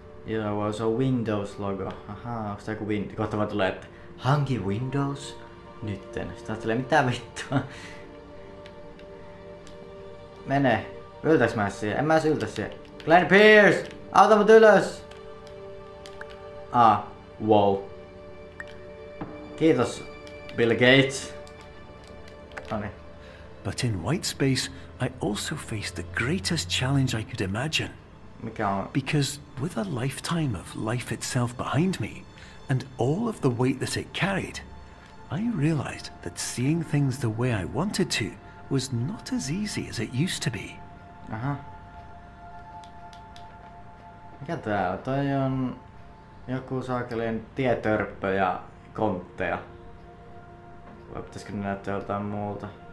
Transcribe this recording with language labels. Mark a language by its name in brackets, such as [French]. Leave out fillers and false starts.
[English] Yeah, there was a Windows logo. [Finnish] Aha, onks tää joku Windows? Kohta vaan tulee, että hanki Windows? Nytten. Sitä ajattelee, mitä vittua. Mene. Yltäks mä siihen? En mä edes yltä siihen. Glenn Pierce! Auta mut ylös! Wow. Kiitos, Bill Gates. Noni. [English] But in white space, I also faced the greatest challenge I could imagine. [Finnish] Mikä on? [English] Because with a lifetime of life itself behind me, and all of the weight that it carried, I realized that seeing things the way I wanted to was not as easy as it used to be. Aha. [Finnish] Mikä tää on? Toi on joku saakelien tietörppö ja kontteja. Vai pitäisikö ne näyttää jotain muuta?